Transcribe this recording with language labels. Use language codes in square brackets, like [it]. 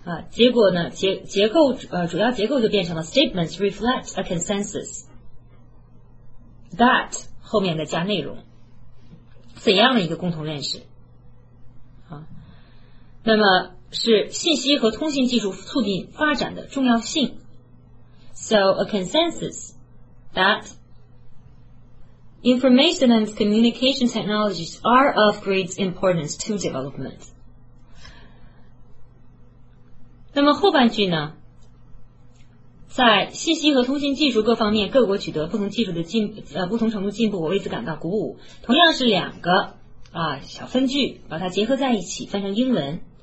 [zh] 结果呢，结构主要结构就变成了 [en] statements reflect a consensus. That [zh] 后面再加内容，怎样的一个共同认识？那么是信息和通信技术促进发展的重要性。 [en] So a consensus that. Information and communication technologies are of great importance to development. [zh] 那么后半句呢，在信息和通信技术各方面各国取得不同技术的不同程度进步，我为此感到鼓舞。同样是两个小分句，把它结合在一起翻成英文。